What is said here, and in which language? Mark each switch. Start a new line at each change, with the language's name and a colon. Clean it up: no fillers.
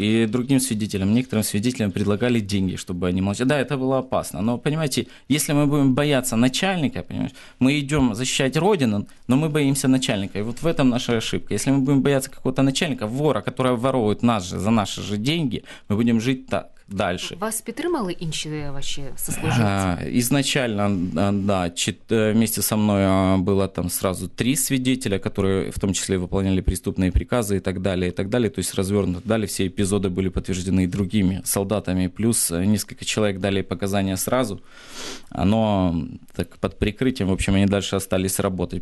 Russian: И другим свидетелям, некоторым свидетелям предлагали деньги, чтобы они молчали. Да, это было опасно. Но, понимаете, если мы будем бояться начальника, понимаешь, мы идем защищать Родину, но мы боимся начальника. И вот в этом наша ошибка. Если мы будем бояться какого-то начальника, вора, который ворует нас же за наши же деньги, мы будем жить так. Дальше.
Ukrainian: Вас підтримали інші ваші сослуживці?
Russian: Ізначально, да, вместе со мною было там сразу три свидетеля, которые в том числе выполняли преступные приказы и так далее, и так далее. То есть развернуто. Далее все эпизоды были подтверждены другими солдатами, плюс несколько человек дали показания сразу. Оно так под прикрытием, в общем, они дальше остались работать.